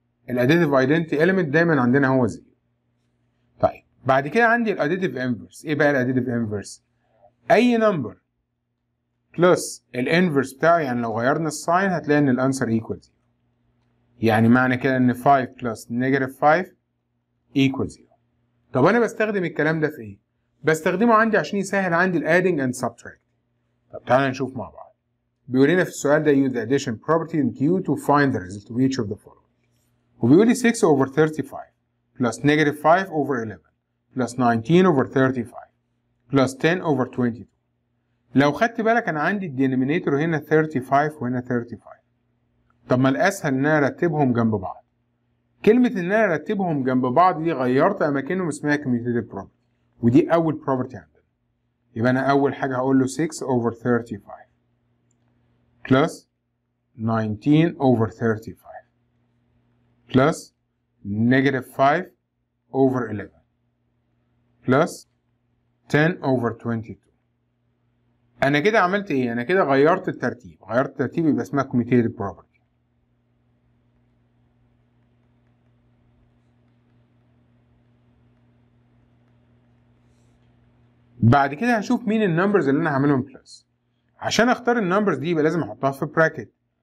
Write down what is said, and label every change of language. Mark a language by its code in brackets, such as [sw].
[ar] ال additive identity element دايما عندنا هو zero. طيب بعد كده عندي [en] the additive inverse. [ar] إيه بقى the additive inverse؟ اي نمبر بلس الانفرس بتاعه، يعني لو غيرنا الساين هتلاقي ان الانسر ايكوال 0. يعني معنى كده ان [en] 5 plus negative 5 equal 0. [ar] طب انا بستخدم الكلام ده في ايه؟ بستخدمه عندي عشان يسهل عندي الادنج اند سبتراكت. طب تعالى نشوف مع بعض. بيقول لنا في السؤال ده [en] use the addition property in Q to find the result of each of the following. [ar] وبيقول لي [en] 6 over 35 plus negative 5 over 11 plus 19 over 35 plus 10 over 22. [ar] لو خدت بالك انا عندي الدينومينيتور هنا 35 وهنا 35. طب ما الاسهل ان انا ارتبهم جنب بعض. كلمه ان انا ارتبهم جنب بعض دي غيرت اماكنهم اسمها commutative property، ودي اول property عندنا. يبقى انا اول حاجه هقول له [en] 6 over 35 plus 19 over 35 plus negative 5 over 11 plus 10 over 22. [ar] انا كده عملت ايه؟ انا كده غيرت الترتيب، غيرت الترتيب يبقى اسمها commutative property. بعد كده هشوف مين النمبرز اللي انا هعملهم بلس. عشان اختار النمبرز دي يبقى لازم احطها في براكت.